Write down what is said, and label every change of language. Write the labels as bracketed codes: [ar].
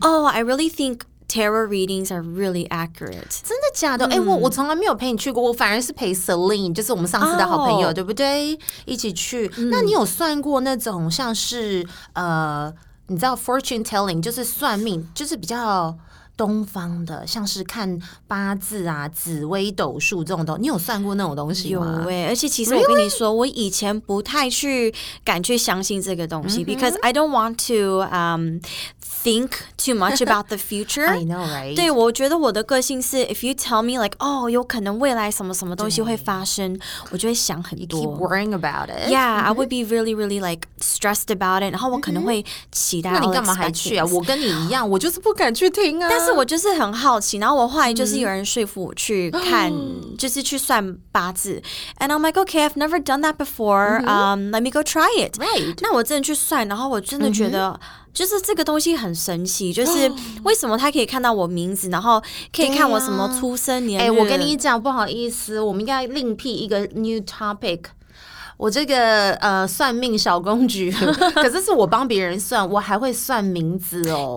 [en] Oh, I really think tarot readings are really accurate. [zh] 真的假的？我从来没有陪你去过，我反而是陪 Celine, 就是我们上次的好朋友，对不对？一起去。那你有算过那种像是你知道 fortune telling, 就是算命，就是比较东方的，像是看八字啊、紫微斗数这种东西，你有算过那种东西吗？有欸，而且其实我跟你说、我以前不太去敢去相信这个东西、 [en] because I don't want to think too much about the future. I know, right? [zh] 对，我觉得我的个性是 [en] if you tell me like, oh, [zh] 有可能未来什么什么东西会发生，我就会想很多。 [en] You keep worrying about it. Yeah,、I would be really, really like stressed about it. [zh] 然后我可能会期待。那你干嘛还去啊？我跟你一样，我就是不敢去听啊。但是我就是很好奇，然后我后来就是有人说服我去看，就是去算八字。 [en] And I'm like, okay, I've never done that before. Let me go try it. Right. [zh] 那我真的去算，然后我真的觉得就是这个东西很神奇，就是为什么他可以看到我名字，然后可以看我什么出生年日。我跟你讲，不好意思，我们应该另辟一个 [en] new topic。 [zh] 我这个算命小公举，可是是我帮别人算，我还会算名字哦。